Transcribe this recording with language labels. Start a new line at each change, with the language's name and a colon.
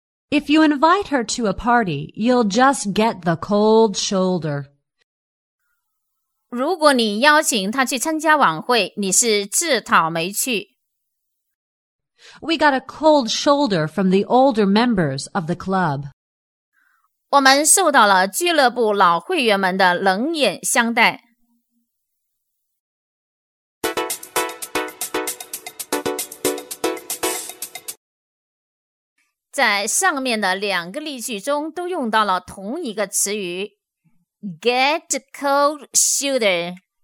English: If you invite her to a party, you'll just get the cold shoulder.
Chinese: 如果你邀请她去参加晚会，你是自讨没趣。
English: We got a cold shoulder from the older members of the club.
Chinese: 我们受到了俱乐部老会员们的冷眼相待。在上面的两个例句中都用到了同一个词语 Get cold shoulder.